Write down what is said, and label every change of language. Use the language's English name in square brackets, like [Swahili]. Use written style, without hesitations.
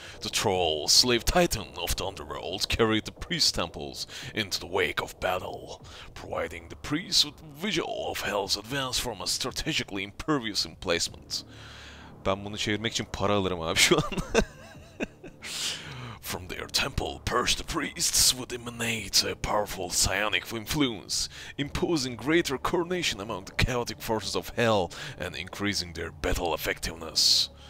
[English] The troll, slave titan of the underworld, carried the priest temples into the wake of battle, providing the priest with visual of hell's advance from a strategically impervious emplacement. [Turkish] Ben bunu çevirmek için para alırım abi şu an. [English] From their temple, purged priests would emanate a powerful psionic influence, imposing greater coordination among the chaotic forces of hell and increasing their battle effectiveness.